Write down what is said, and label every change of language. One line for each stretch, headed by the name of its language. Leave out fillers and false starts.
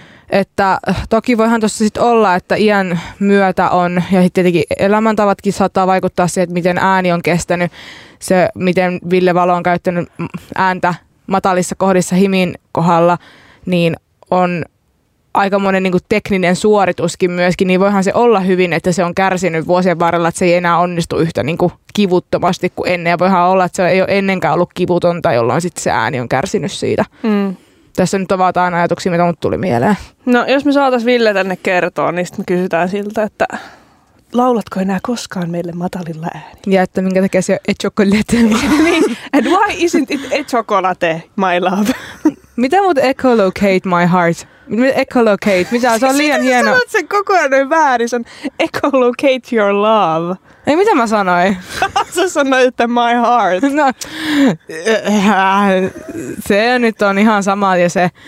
Finnish: Että toki voihan tuossa sitten olla, että iän myötä on, ja sitten tietenkin elämäntavatkin saattaa vaikuttaa siihen, että miten ääni on kestänyt, se miten Ville Valo on käyttänyt ääntä matalissa kohdissa HIMin kohdalla, niin on aikamoinen niin kuin tekninen suorituskin myöskin, niin voihan se olla hyvin, että se on kärsinyt vuosien varrella, että se ei enää onnistu yhtä niin kuin kivuttomasti kuin ennen, ja voihan olla, että se ei ole ennenkään ollut kivutonta, jolloin sitten se ääni on kärsinyt siitä. Mm. Tässä nyt avataan ajatuksia, mitä mut tuli mieleen. No, jos me saatais Ville tänne kertoa, niin sitten me kysytään siltä, että laulatko enää koskaan meille matalilla ääni? Ja että minkä takia se on e-chocolate?
English: And why isn't it e-chocolate, my love?
Finnish: Mitä mut
English: echolocate my heart?
Finnish: Echolocate, mitä? Se on liian hieno. Sitä sä sanot sen koko ajan väärin, se on
English: echolocate your love.
Finnish: Ei, mitä mä sanoin? Sä sanoit, että
English: my heart.
Finnish: No, se nyt on ihan sama. Ja se.